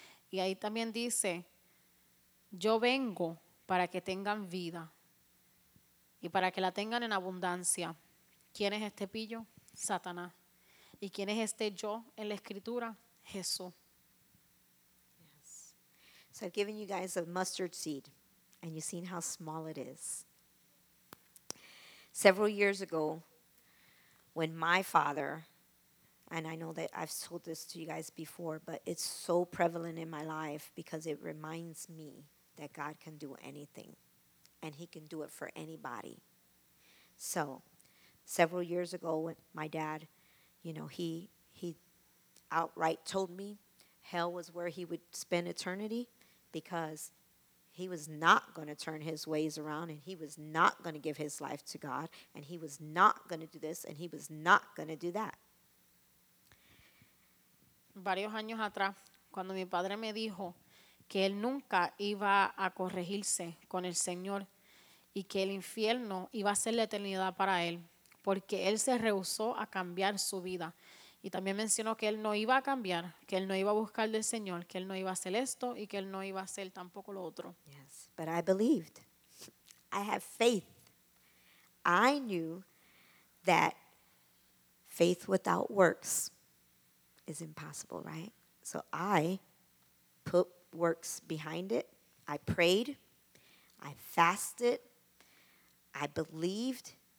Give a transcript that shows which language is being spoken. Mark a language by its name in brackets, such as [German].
[Spanish] Y ahí también dice, yo vengo para que tengan vida y para que la tengan en abundancia. ¿Quién es este pillo? Satanás. ¿Y quién es este yo en la escritura? Jesús. [English] Yes. So I've given you guys a mustard seed and you've seen how small it is. Several years ago, when my father... And I know that I've told this to you guys before, but it's so prevalent in my life because it reminds me that God can do anything, and He can do it for anybody. So several years ago, when my dad, you know, he outright told me hell was where he would spend eternity because he was not going to turn his ways around, and he was not going to give his life to God, and he was not going to do this, and he was not going to do that. [Spanish] Varios años atrás, cuando mi padre me dijo que él nunca iba a corregirse con el Señor y que el infierno iba a ser la eternidad para él, porque él se rehusó a cambiar su vida. Y también mencionó que él no iba a cambiar, que él no iba a buscar del Señor, que él no iba a hacer esto y que él no iba a hacer tampoco lo otro. [English] Yes, but I believed. I have faith. I knew that faith without works is impossible, right? So I put works behind it. I prayed. I fasted. I believed.